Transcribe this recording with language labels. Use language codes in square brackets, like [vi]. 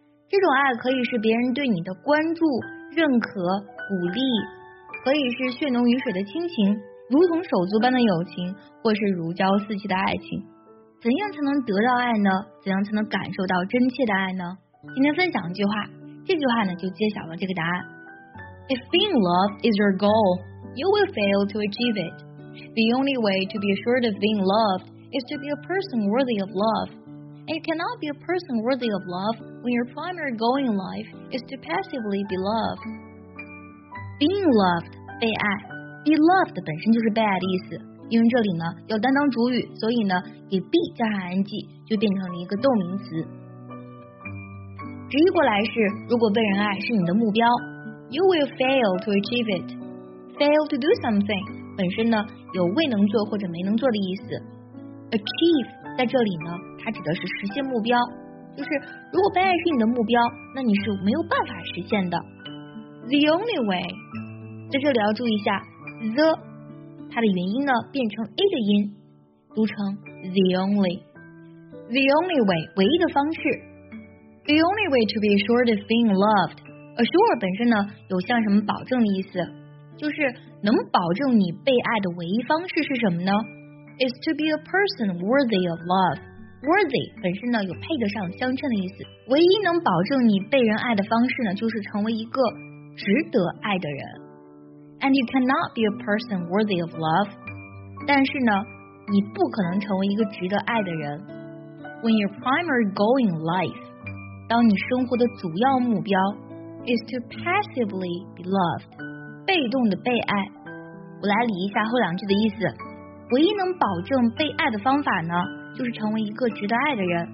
[zh] 这种爱可以是别人对你的关注、认可、鼓励，可以是血浓于水的亲情，如同手足般的友情，或是如胶似漆的爱情。怎样才能得到爱呢？怎样才能感受到真切的爱呢？今天分享一句话，这句话呢就揭晓了这个答案。 [en] If being loved is your goal, you will fail to achieve it. The only way to be assured of being loved is to be a person worthy of love. And you cannot be a person worthy of love when your primary goal in life is to passively be loved. Being loved, [zh] 被爱 , [en] be loved [zh] 本身就是被爱的意思。因为这里呢要担当主语，所以呢给 be 加上 ing 就变成了一个动名词。直译过来是，如果被人爱是你的目标， [en] You will fail to achieve it. Fail to do something [zh] 本身呢有未能做或者没能做的意思。 Achieve 在这里呢它指的是实现目标，就是如果被爱是你的目标，那你是没有办法实现的。 [en] The only way [zh] 在这里要注意一下 the，它的元音呢变成 a 的音，读成 [en] the only。 The only way [zh] 唯一的方式。 [en] The only way to be assured of being loved. [zh] Assure 本身呢有像什么保证的意思，就是能保证你被爱的唯一方式是什么呢？ [en] Is to be a person worthy of love. [zh] Worthy 本身呢有配得上相称的意思，唯一能保证你被人爱的方式呢，就是成为一个值得爱的人。 [en] And you cannot be a person worthy of love. [zh] 但是呢，你不可能成为一个值得爱的人。 [en] When your primary goal in life, [zh] 当你生活的主要目标 [en] is to passively be loved, [zh] 被动的被爱。我来理一下后两句的意思。唯一能保证被爱的方法呢，就是成为一个值得爱的人。